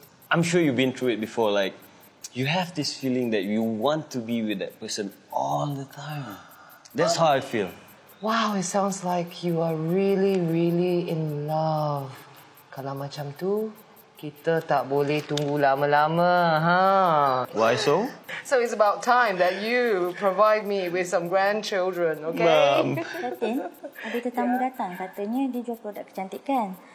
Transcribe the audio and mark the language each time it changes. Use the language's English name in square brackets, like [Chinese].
[English] I'm sure you've been through it before, like, you have this feeling that you want to be with that person all the time. That's how I feel. Wow, it sounds like you are really, really in love. [Malay] Kalau macam tu, [English] K [Malay] Kita tak boleh tunggu lama-lama, ha? [English] Why so? So it's about time that you provide me with some grandchildren, okay? Mom. [Malay] Fatin, ada tetamu datang. Katanya dia jual produk kecantikan.